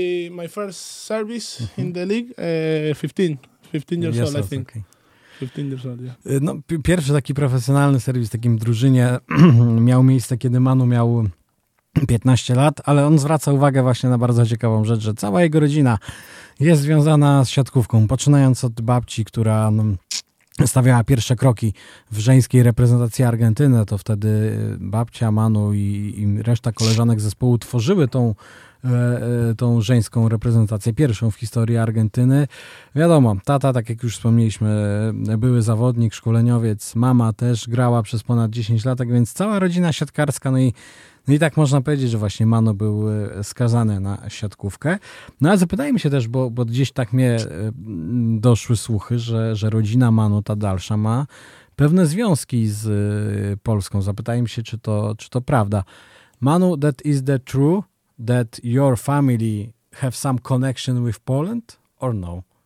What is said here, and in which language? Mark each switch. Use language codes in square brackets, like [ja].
[en] My first service mm-hmm. in the league, 15 years old, I think. Okay. [pl] No, pierwszy taki profesjonalny serwis w takim drużynie miał miejsce, kiedy Manu miał 15 lat, ale on zwraca uwagę właśnie na bardzo ciekawą rzecz, że cała jego rodzina jest związana z siatkówką, poczynając od babci, która stawiała pierwsze kroki w żeńskiej reprezentacji Argentyny, to wtedy babcia, Manu i reszta koleżanek zespołu tworzyły tą żeńską reprezentację, pierwszą w historii Argentyny. Wiadomo, tata, tak jak już wspomnieliśmy, były zawodnik, szkoleniowiec, mama też grała przez ponad 10 lat, tak więc cała rodzina siatkarska, no i tak można powiedzieć, że właśnie Manu był skazany na siatkówkę. No ale zapytajmy się też, bo gdzieś tak mnie doszły słuchy, że rodzina Manu, ta dalsza, ma pewne związki z Polską. Zapytajmy się, czy to prawda. [en] Manu, that is the true, that your family have some connection with Poland or no?